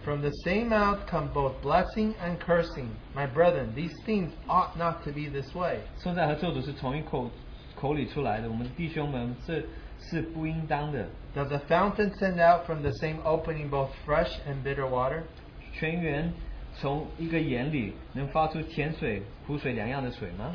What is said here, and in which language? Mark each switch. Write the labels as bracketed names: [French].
[English] From the same mouth come both blessing and cursing. My brethren, these things ought not to be this way. [Chinese] 颂赞和咒诅是从一口口里出来的，我们弟兄们，这是不应当的。 [English] Does the fountain send out from the same opening both fresh and bitter water? [Chinese] 泉源从一个眼里能发出甜水、苦水两样的水吗？